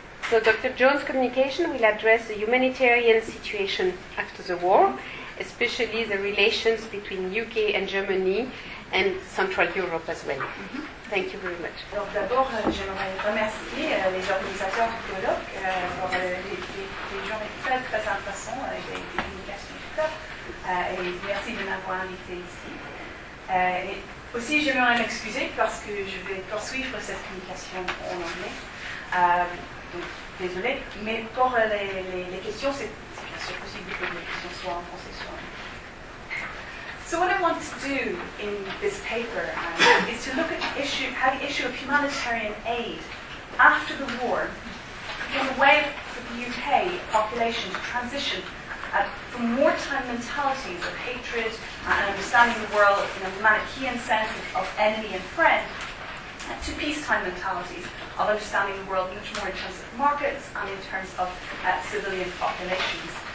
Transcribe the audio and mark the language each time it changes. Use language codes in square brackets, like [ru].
[en] So Dr. Jones' communication will address the humanitarian situation after the war, especially the relations between UK and Germany and Central Europe as well. Thank you very much. [fr] Alors d'abord, j'aimerais remercier les organisateurs du colloque pour les journées très très intéressantes avec des communications du corps. Et merci de m'avoir invité ici. Et aussi, j'aimerais m'excuser parce que je vais poursuivre cette communication en anglais. Donc, désolé. Mais pour les questions, c'est bien sûr possible que les questions soient en français, soit en anglais. [en] So what I want to do in this paper is to look at the issue, how the issue of humanitarian aid after the war became a way for the UK population to transition from wartime mentalities of hatred and understanding the world in a Manichaean sense of enemy and friend to peacetime mentalities of understanding the world much more in terms of markets and in terms of civilian populations.